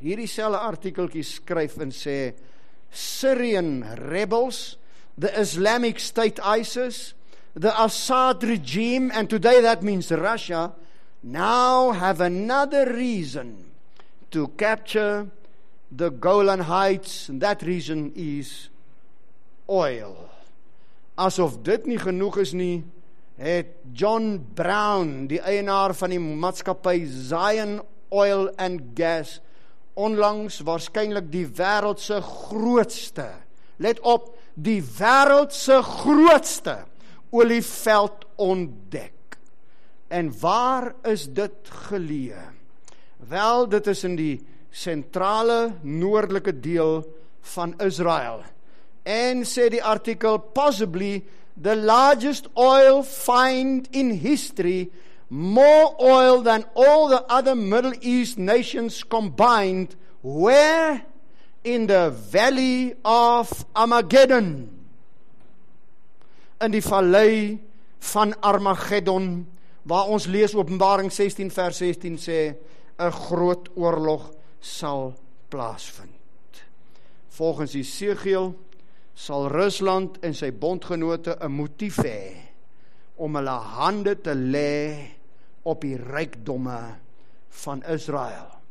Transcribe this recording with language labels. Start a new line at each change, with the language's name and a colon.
Afrikaans: Hierdie selfe artikeltjie skryf en sê,
English: Syrian rebels, the Islamic State ISIS, the Assad regime, and today that means Russia, now have another reason to capture the Golan Heights, and that reason is oil.
Afrikaans: Asof dit nie genoeg is nie, het John Brown, die eienaar van die maatskappy Zion Oil and Gas, onlangs waarskynlik die wêreldse grootste, let op, die wêreldse grootste olieveld ontdek. En waar is dit geleë? Wel, dit is in die sentrale noordelike deel van Israel. En sê die artikel,
English: possibly the largest oil find in history, more oil than all the other Middle East nations combined, where? In the Valley of Armageddon.
Afrikaans: In die vallei van Armageddon, waar ons lees Openbaring 16 vers 16 sê, 'n groot oorlog sal plaasvind. Volgens Esegiel sal Rusland en sy bondgenote 'n motief hê om hulle hande te lê op die rykdomme van Israel.